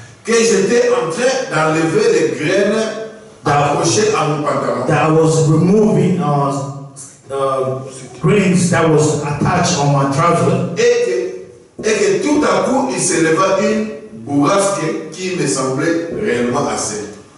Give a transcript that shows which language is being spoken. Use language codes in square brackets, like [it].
[fr] Que j'étais en train d'enlever les graines accrochées à mon pantalon. [en] That I was removing the grains that was attached on my trouser. [fr] Et que tout à coup il se leva une bourrasque qui me semblait réellement assez.